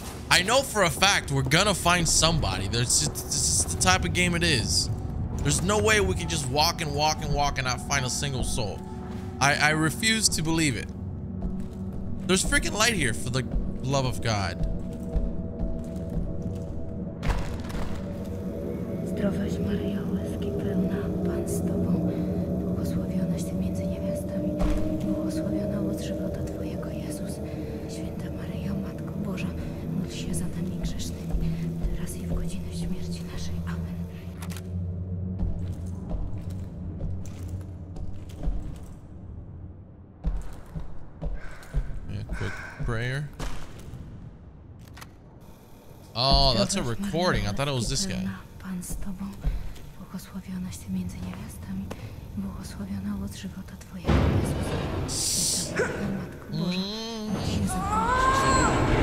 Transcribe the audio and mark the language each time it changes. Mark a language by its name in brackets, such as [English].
[English] I know for a fact we're gonna find somebody. This is the type of game it is. There's no way we can just walk and walk and walk and not find a single soul. I refuse to believe it. There's freaking light here, for the love of God. [Polish] Zdrowaś, Maria, łaski pełna, Pan z Tobą. Błogosławionaś Ty między niewiastami. Błogosławiona owoc żywota Twojego, Jezus. Święta Maryjo, Matko Boża, módl się za nami grzesznymi, teraz i w godzinę śmierci naszej. Amen. [English] Yeah, quick prayer. Oh, that's a recording. I thought it was this guy. [Polish] Z Tobą, błogosławionaś Ty między niewiastami, błogosławiona owoc żywota Twojego, Jezus.